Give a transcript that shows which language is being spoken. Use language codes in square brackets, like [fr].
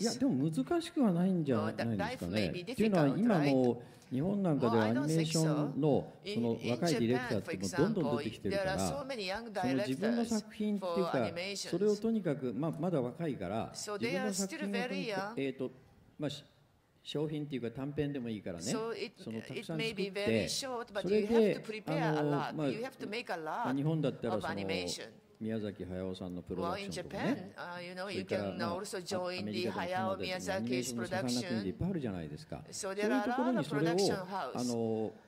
[ja] いや、でも難しくはないんじゃないですかね。というのは今も日本なんかではアニメーションの その若いディレクターってもどんどん出てきてるから、その自分の作品っていうか、それをとにかく まだ若いから、自分の作品をとにかく商品っていうか短編でもいいからね、そのたくさん作って、それで日本だったらその宮崎駿さんのプロダクションとかね、 [en] you can also join the Hayao Miyazaki's production. [ja] いっぱいあるじゃないですか。そういうところにそれを